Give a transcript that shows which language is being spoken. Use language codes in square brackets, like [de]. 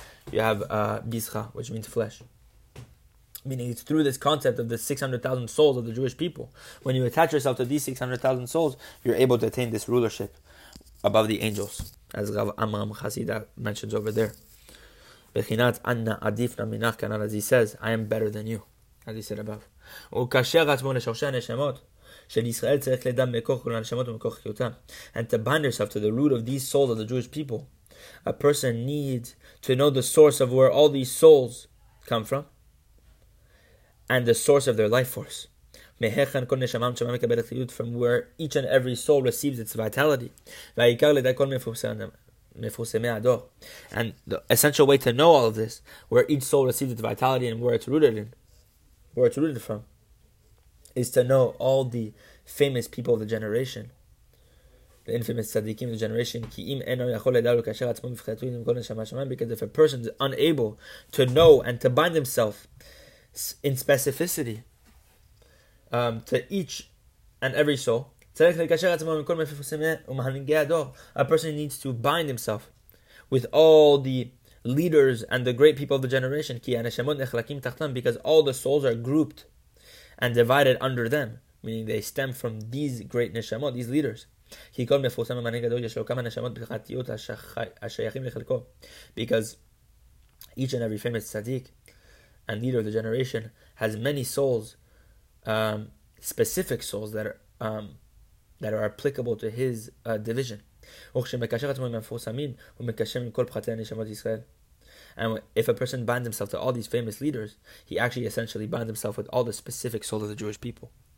[en] You have Bishcha, which means flesh. Meaning it's through this concept of the 600,000 souls of the Jewish people. When you attach yourself to these 600,000 souls, you're able to attain this rulership above the angels, as Rav Amram Chasida mentions over there. Bechinat [arc] Anna Adifna Minach Kanal, [en] as he says, I am better than you, as he said above. [he] וקשר עצמו לשורשי הנשמות של ישראל צריך לדם מקור כל הנשמות ומקור חיותם. [en] And to bind yourself to the root of these souls of the Jewish people, a person needs to know the source of where all these souls come from and the source of their life force. [he] מהיכן כל נשמה ונשמה מקבלת חיות, [en] from where each and every soul receives its vitality. [he] והעיקר לדעת כל מפורסמי הדור. [en] And the essential way to know all of this, where each soul receives its vitality and where it's rooted in, where it's rooted from, is to know all the famous people of the generation, the infamous Tzadikim of the generation. [he] כי אם אינו יכול לדעת לקשר עצמו מבחינתו עם כל נשמה ונשמה, [en] because if a person is unable to know and to bind himself in specificity, to each and every soul, [he] צריך לקשר עצמו עם כל מפורסמי ומנהיגי הדור. [en] A person needs to bind himself with all the leaders and the great people of the generation. [he] כי הנשמות נחלקים תחתם, [en] because all the souls are grouped and divided under them, meaning they stem from these great neshamot, these leaders. [he] כי כל מפורסם ומנהיג הדור יש לו כמה נשמות פרטיות השייכים לחלקו, [en] because each and every famous tzaddik and leader of the generation has many souls. Specific souls that are applicable to his division. And if a person binds himself to all these famous leaders, he actually essentially binds himself with all the specific souls of the Jewish people.